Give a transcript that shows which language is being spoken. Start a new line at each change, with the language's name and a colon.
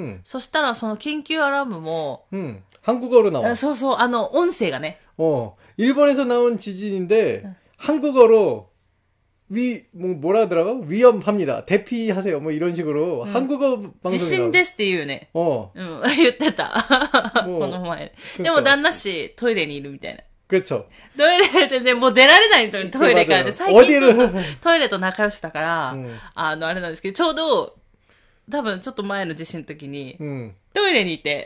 Japanese: そしたらその緊急アラームも、
Korean: 한국어로나와。
Japanese: そうそう、音声がね。
Korean: 일본에서나온지진인데、한국어로위뭐뭐라하더라고위험합니다대피하세요뭐이런식으로한국어방송
Japanese: 지신ですって言うね言ってた뭐この前でも旦那씨トイレにいるみたいな
Korean: 그렇죠
Japanese: トイレでねもう出られないトイレから最近トイレと仲良しだからあれなんですけどちょうど多分ちょっと前の地震の時にトイレにいて